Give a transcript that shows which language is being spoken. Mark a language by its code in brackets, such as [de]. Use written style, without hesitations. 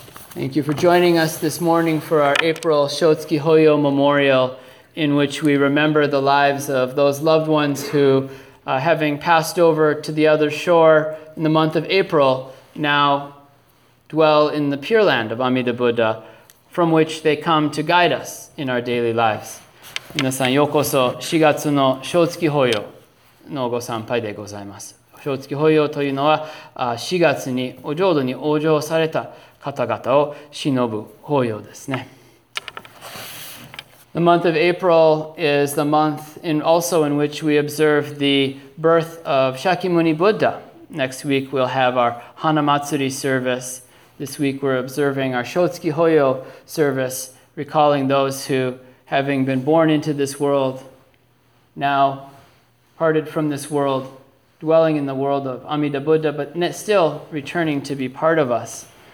[en] Thank you for joining us this morning for our April Shotsuki Hoyo Memorial, in which we remember the lives of those loved ones who, having passed over to the other shore in the month of April, now dwell in the Pure Land of Amida Buddha, from which they come to guide us in our daily lives. [ja] 皆さん, ようこそ 4月 の 正月法要 のご参拝でございます。正月法要というのは、4月にお浄土に往生された方々を偲ぶ法要ですね。 [en] The month of April is the month in which we observe the birth of Shakyamuni Buddha. Next week we'll have our Hanamatsuri service. This week we're observing our Shotsuki Hoyo service, recalling those who, having been born into this world, now parted from this world, dwelling in the world of Amida Buddha, but still returning to be part of us.